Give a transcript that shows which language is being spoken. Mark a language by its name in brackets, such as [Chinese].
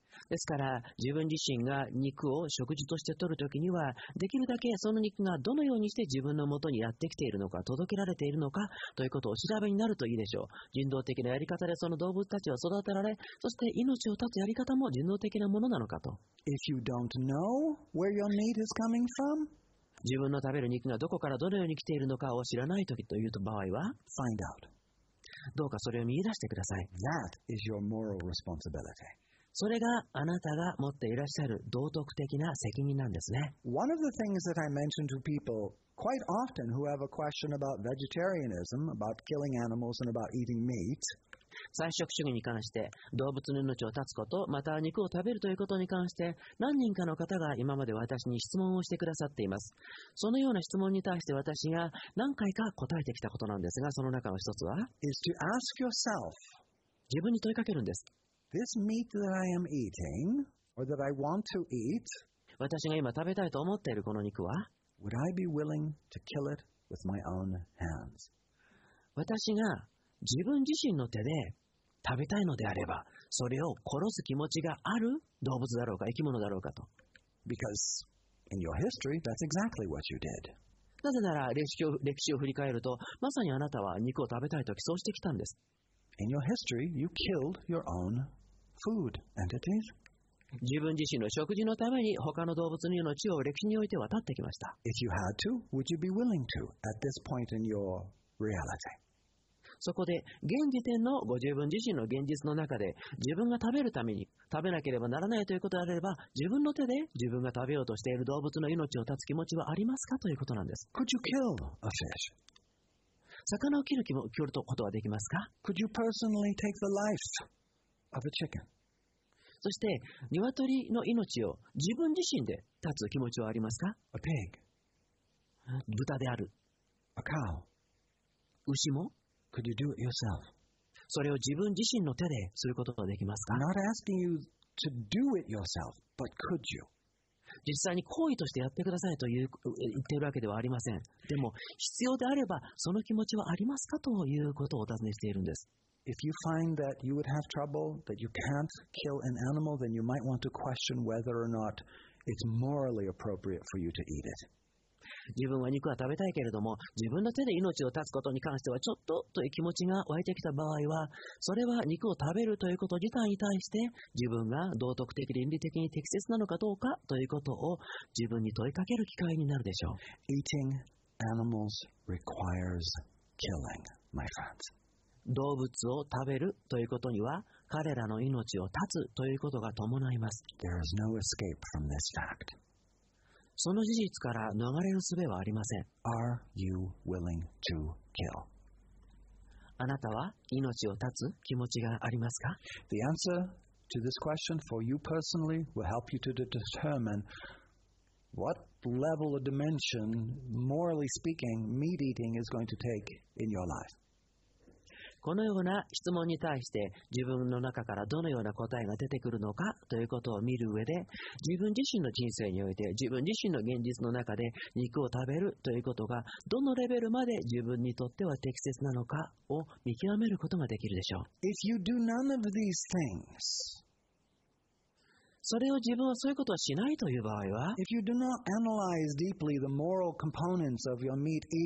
[Japanese] ですから、自分自身が肉を食事として取るときには、できるだけその肉がどのようにして自分のもとにやってきているのか、届けられているのかということをお調べになるといいでしょう。人道的なやり方でその動物たちは育てられ、そして命を絶つやり方も人道的なものなのかと。 [English] If you don't know where your meat is coming from, [Japanese] 自分の食べる肉がどこからどのように来ているのかを知らないときという場合は、 [English] Find out. [Japanese] どうかそれを見出してください。 [English] That is your moral responsibility. [Japanese] それがあなたが持っていらっしゃる道徳的な責任なんですね。 [English] One of the things that I mention to people quite often who have a question about vegetarianism, about killing animals and about eating meat, [Japanese] 菜食主義に関して動物の命を絶つこと、また肉を食べるということに関して何人かの方が今まで私に質問をしてくださっています。そのような質問に対して私が何回か答えてきたことなんですが、その中の一つは [English] is to ask yourself, [Japanese] 自分に問いかけるんです。 [English] This meat that I am eating, or that I want to eat, [Japanese] 私が今食べたいと思っているこの肉は [English] Would I be willing to kill it with my own hands? [Japanese] 私が自分自身の手で食べたいのであれば、それを殺す気持ちがある動物だろうか、生き物だろうかと。 [English] Because in your history, that's exactly what you did. [Japanese] なぜなら歴史を振り返ると、まさにあなたは肉を食べたいときそうしてきたんです。 [English] In your history, you killed your own food entities. [Japanese] 自分自身の食事のために他の動物の命を歴史において渡ってきました。 [English] If you had to, would you be willing to at this point in your reality? [Japanese] そこで現時点のご自分自身の現実の中で自分が食べるために食べなければならないということであれば、自分の手で自分が食べようとしている動物の命を絶つ気持ちはありますかということなんです。 [English] Could you kill a fish? [Japanese] 魚を切る気も切ることはできますか。 [English] Could you personally take the life of a chicken? [Japanese] そして鶏の命を自分自身で絶つ気持ちはありますか。 [English] A pig. [Japanese] 豚である。 [English] A cow. [Japanese] 牛も。 [English] Could you do it yourself? [Japanese] それを自分自身の手ですることができますか。 [English] I'm not asking you to do it yourself, but could you? [Japanese] 実際に行為としてやってくださいと言っているわけではありません。でも必要であればその気持ちはありますかということをお尋ねしているんです。 [English] If you find that you would have trouble, that you can't kill an animal, then you might want to question whether or not it's morally appropriate for you to eat it. [Japanese] 自分は肉は食べたいけれども、自分の手で命を絶つことに関してはちょっとという気持ちが湧いてきた場合は、それは肉を食べるということ自体に対して、自分が道徳的倫理的に適切なのかどうかということを自分に問いかける機会になるでしょう。 [English] Eating animals requires killing, my friends. [Japanese] 動物を食べるということには、彼らの命を絶つということが伴います。 [English] There is no escape from this fact. [Japanese] その事実から逃れる術はありません。 [English] Are you willing to kill? [Japanese] あなたは命を絶つ気持ちがありますか? [English] The answer to this question for you personally will help you to determine what level of dimension, morally speaking, meat eating is going to take in your life. [Japanese] このような質問に対して自分の中からどのような答えが出てくるのかということを見る上で、自分自身の人生において自分自身の現実の中で肉を食べるということがどのレベルまで自分にとっては適切なのかを見極めることができるでしょう。 [English] If you do none of these things, [Japanese] それを自分はそういうことをしないという場合は、 [English] If you do not analyze deeply the moral components of your meat eating,